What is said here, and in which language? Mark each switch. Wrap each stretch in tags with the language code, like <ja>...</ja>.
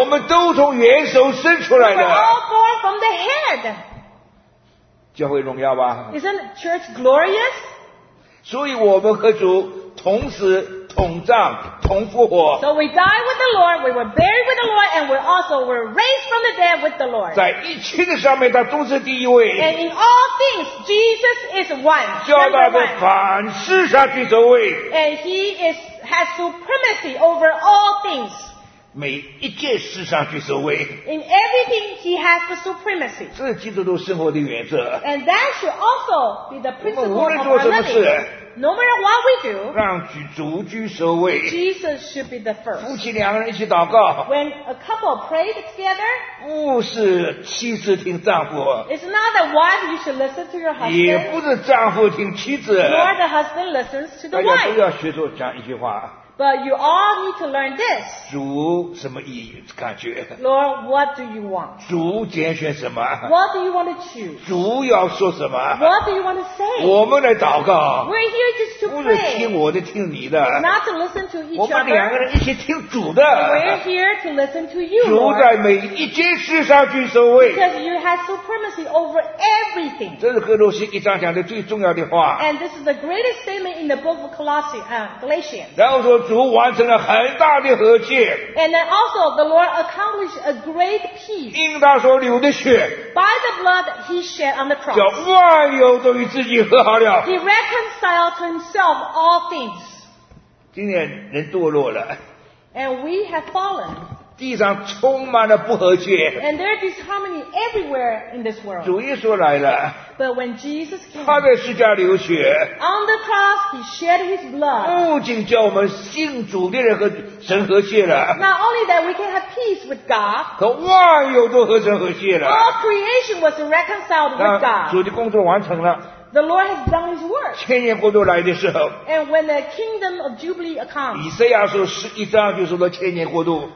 <zh>我们都从元首生出来的。</zh> <en>We were all born from the head.</en> <zh>教会荣耀吧。</zh> <en>Isn't church glorious?</en> <zh>所以我们和主同时同葬同复活。</zh> <en>So we died with the Lord, we were buried with the Lord, and we also were raised from the dead with the Lord.</en> <zh>在一切的上面，他都是第一位。</zh> <en>And in all things, Jesus is one.</en> <zh>叫他在凡事上居首位。</zh> <en>And he is, has supremacy over all things.</en> <zh>每一件事上居首位。</zh> <en>In everything, he has the supremacy.</en> <zh>这是基督徒生活的原则。</zh> <en>And that should also be the principle of our living. No matter what we do,</en> <zh>让主居首位。</zh> <en>Jesus should be the first.</en> <zh>夫妻两个人一起祷告。</zh> <en>When a couple pray together,</en> <zh>不是妻子听丈夫。</zh> <en>It's not the wife you should listen to your husband.</en> <zh>也不是丈夫听妻子。</zh> <en>Nor the husband listens to the wife.</en> <zh>大家都要学着讲一句话。</zh> <en>But you all need to learn this.</en> <zh>主什么意义感觉</zh> <en>？Lord, what do you want?</en> <zh>主拣选什么</zh> <en>？What do you want to choose?</en> <zh>主要说什么</zh> <en>？What do you want to say?</en> <zh>我们来祷告。</zh> <en>We're here just to pray.</en> <zh>不是听我的，听你的。</zh> <en>Not to listen to each other.</en> <zh>我们两个人一起听主的。</zh> <en>We're here to listen to you.</en> <zh>主在每一件事上居首位。</zh> <en>Because you have supremacy over everything.</en> <zh>这是哥罗西一章讲的最重要的话。</zh> <en>And this is the greatest statement in the book of Galatians.</en> <zh>然后说。主完成了很大的和解。</zh> <en>And then also the Lord accomplished a great peace.</en> <zh>因他所流的血。</zh> <en>By the blood he shed on the cross.</en> <zh>叫万有都与自己和好了。</zh> <en>He reconciled to himself all things.</en> <zh>今天人堕落了。</zh> <en>And we have fallen.</en> <zh>地上充满了不和解。</zh> <en>And there is disharmony everywhere in this world.</en> <zh>主耶稣来了。</zh> <en>But when Jesus came,</en> <zh>他在释迦流血。</zh> <en>On the cross, he shed his blood.</en> <zh>不仅叫我们信主的人和神和解了。</zh> <en>Not only that we can have peace with God.</en> <zh>可万有都和神和解了。</zh> <en>All creation was reconciled with God.</en> <zh>主的工作完成了。</zh> <en>The Lord has done his work.</en> <zh>千年国度来的时候。</zh> <en>And when the kingdom of Jubilee comes.</en> <zh>以赛亚书十一章就说到千年国度。</zh>